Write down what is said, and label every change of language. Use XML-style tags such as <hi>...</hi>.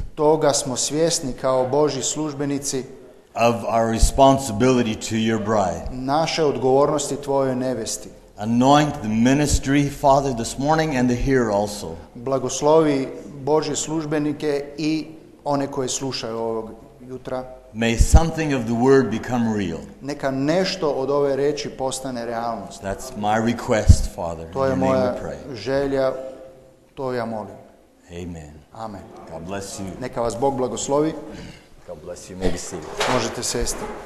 <hr>Toga smo svjesni kao Božji službenici.</hr> <en>Of our responsibility to your bride.</en> <hr>Naše odgovornosti tvojoj nevesti.</hr> <en>Anoint the ministry, Father, this morning and the here also.</en> <hr>Blagoslovi Božje službenike i one koji slušaju ovog jutra.</hr> <en>May something of the word become real.</en> <hr>Neka nešto od ove reči postane realnost.</hr> <en>That's my request, Father.</en> <hr>To je moja želja, to ja molim.</hr> <en>Amen. Amen. God bless you.</en> <hr>Neka vas Bog blagoslovi.</hr> <en>God bless you. May be seated.</en> <hr>Možete sjesti.</hr>